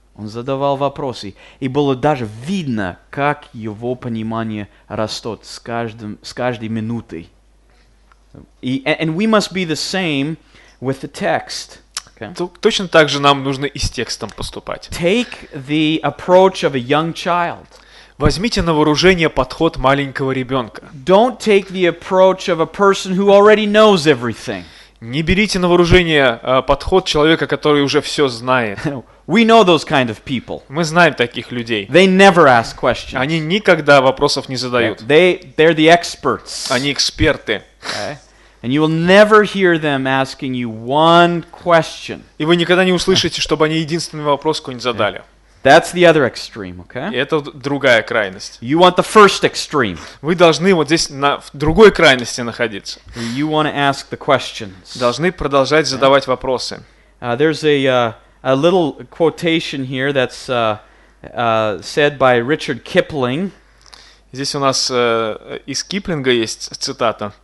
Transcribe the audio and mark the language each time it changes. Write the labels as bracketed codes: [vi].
[ru] Он задавал вопросы, и было даже видно, как его понимание растет с каждой минутой. [en] And we must be the same with the text. Okay? [ru] Точно так же нам нужно и с текстом поступать. [en] Take the approach of a young child. [ru] Возьмите на вооружение подход маленького ребенка. [en] Don't take the approach of a person who already knows everything. [ru] Не берите на вооружение подход человека, который уже все знает. [en] We know those kind of people. [ru] Мы знаем таких людей. [en] They never ask questions. [ru] Они никогда вопросов не задают. [en] They're the experts. [ru] Они эксперты. [en] Okay. And you will never hear them asking you one question. [ru] И вы никогда не услышите, чтобы они единственный вопрос какой-нибудь задали. [en] That's the other extreme, okay? [ru] Это другая крайность. [en] You want the first extreme. [ru] Вы должны вот здесь в другой крайности находиться. [en] You want to ask the questions. [ru] Должны продолжать задавать вопросы. [en] There's a little quotation here that's said by Richard Kipling. [ru] Здесь у нас из Киплинга есть цитата.